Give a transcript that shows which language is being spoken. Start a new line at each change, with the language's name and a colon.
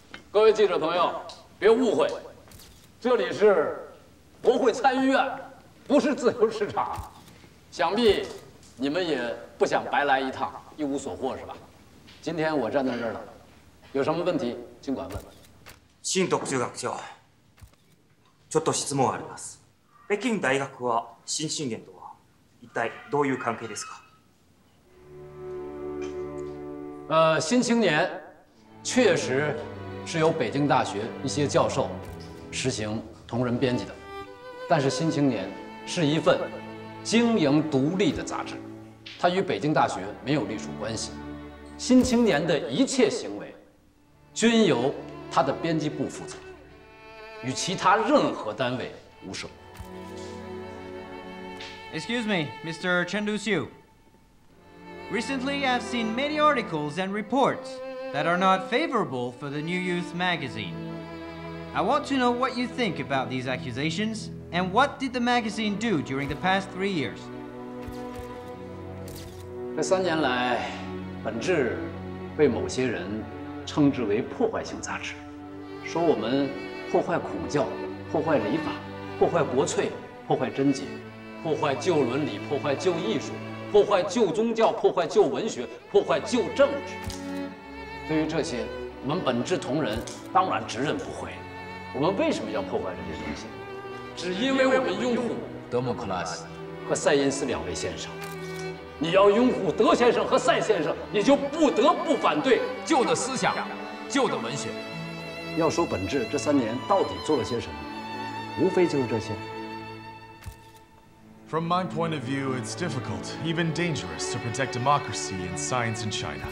Chinese: 各位记者朋友，别误会，这里是国会参议院，不是自由市场，想必你们也不想白来一趟，一无所获是吧？今天我站在这儿了，有什么问题尽管问。
Japanese: 新特区学校，ちょっと質問あります。北京大学は新進元とは一体どういう関係ですか？
Chinese: 新青年确实是由北京大学一些教授实行同人编辑的，但是新青年是一份经营独立的杂志。他与北京大学没有隶属关系，新青年的一切行为均由他的编辑部负责，与其他任何单位无涉。
English: Excuse me, Mr. Chen Duxiu. Recently, I've seen many articles and reports that are not favorable for the New Youth magazine. I want to know what you think about these accusations and what did the magazine do during the past 3 years.
Chinese: 这三年来，本质被某些人称之为破坏性杂志，说我们破坏孔教、破坏礼法、破坏国粹、破坏贞洁、破坏旧伦理、破坏旧艺术、破坏旧宗教、破坏旧文学、破坏旧政治。对于这些，我们本质同仁当然直认不讳。我们为什么要破坏这些东西？只因为我们拥护德莫克拉斯和塞因斯两位先生。你要拥护德先生和赛先生，你就不得不反对旧的思想、旧的文学。要说本质，这三年到底做了些什么，无非就是这些。
English: From my point of view, it's difficult, even dangerous, to protect democracy and science in China.